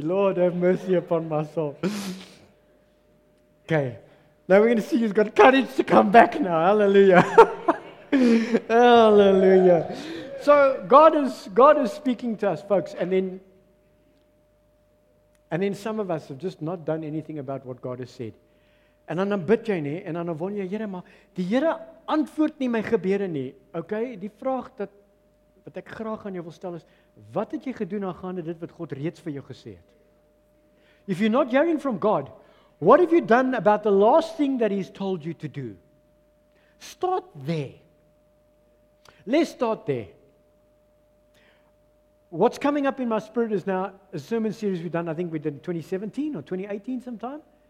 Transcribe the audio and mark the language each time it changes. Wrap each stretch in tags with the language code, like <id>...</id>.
<en>Lord, have mercy upon my soul. Okay. Now we're going to see who's got courage to come back now. Hallelujah. Hallelujah. So God is speaking to us, folks. And then some of us have just not done anything about what God has said.</en> <af>En dan bid jy nie, en dan wonder jy, Here, maar die Here antwoord nie my gebede nie. Okay, die vraag wat ek graag aan jou wil stel is, wat het jy gedoen aangaande dit wat God reeds vir jou gesê het?</af> <en>If you're not hearing from God, what have you done about the last thing that He's told you to do? Start there. Let's start there. What's coming up in my spirit is now a sermon series we've done, I think we did in 2017 or 2018 sometime.</en>